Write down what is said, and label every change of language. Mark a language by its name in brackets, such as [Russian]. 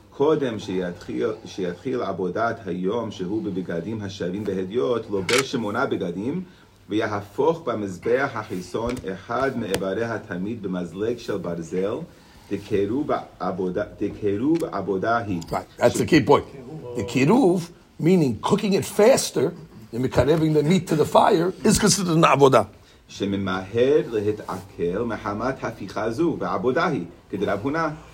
[Hebrew] קודם שיתחיל עבודת היום שהוא בבגדים השווים בהדיות, לובש שמונה בגדים, ויהפוך במזבח החיסון אחד מאיברי התמיד במזלג של ברזל, דקירוב עבודה היא. [English] Right, that's the key point. The kiruv, meaning cooking it faster, and מקרבing the meat to the fire, is considered an עבודה. [Hebrew] שממהר להתעכל מחמת הפיכה זו, ועבודה היא, כדרב הונה.